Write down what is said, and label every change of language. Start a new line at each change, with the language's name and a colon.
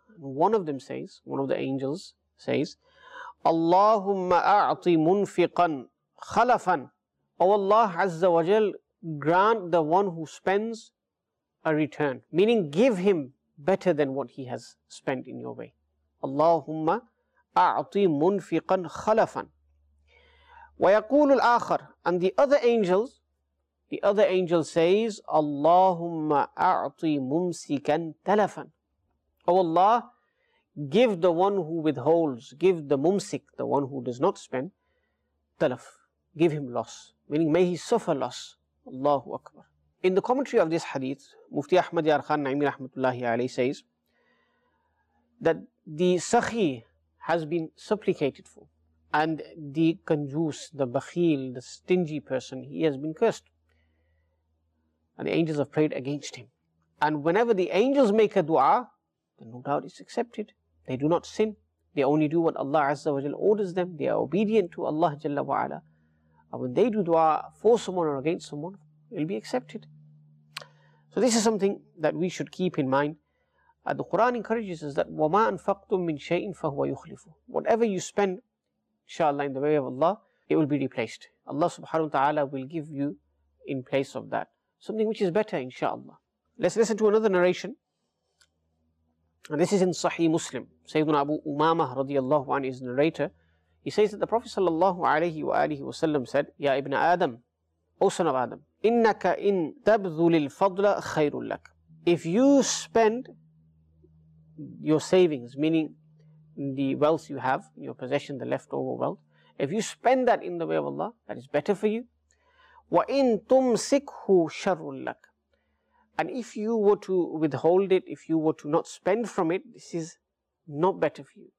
English: One of them says, one of the angels says,
Arabic: اللَّهُمَّ أَعْطِ مُنْفِقًا خَلَفًا.
English: O Allah Azza wa Jal, grant the one who spends a return. Meaning give him better than what he has spent in your way.
Arabic: اللهم أعطي منفقا خلفا ويقول الآخر.
English: And the other angel says,
Arabic: اللهم أعطي ممسكا تلفا.
English: Oh Allah, give the one who withholds, give the mumsik, the one who does not spend, تلف, give him loss, meaning may he suffer loss.
Arabic: الله أكبر.
English: In the commentary of this hadith, Mufti Ahmad Yar Khan Naimi Rahmatullahi Alayhi says that the sakhi has been supplicated for, and the kanjus, the bakhil, the stingy person, he has been cursed. And the angels have prayed against him. And whenever the angels make a dua, then no doubt it's accepted. They do not sin. They only do what Allah Azza wa Jal orders them. They are obedient to Allah Jalla wa Ala. And when they do dua for someone or against someone, it'll be accepted. So this is something that we should keep in mind. The Quran encourages us that
Arabic: وَمَا أَنْفَقْتُمْ مِنْ شَيْءٍ فَهُوَ يُخْلِفُ.
English: Whatever you spend, inshallah, in the way of Allah, it will be replaced. Allah subhanahu wa ta'ala will give you in place of that something which is better, inshallah. Let's listen to another narration. And this is in Sahih Muslim. Sayyidina Abu Umamah radiallahu anhu is the narrator. He says that the Prophet sallallahu alayhi wa alihi wa sallam said,
Arabic: يَا إِبْنَ آدَمْ.
English: O son of Adam,
Arabic: إِنَّكَ إِن تَبْذُلِ الْفَضْلَ خَيْرٌ لَكَ.
English: If you spend your savings, meaning the wealth you have, your possession, the leftover wealth, if you spend that in the way of Allah, that is better for you.
Arabic: وَإِن تُمْسِكْهُ شَرٌ لَكَ.
English: And if you were to withhold it, if you were to not spend from it, this is not better for you.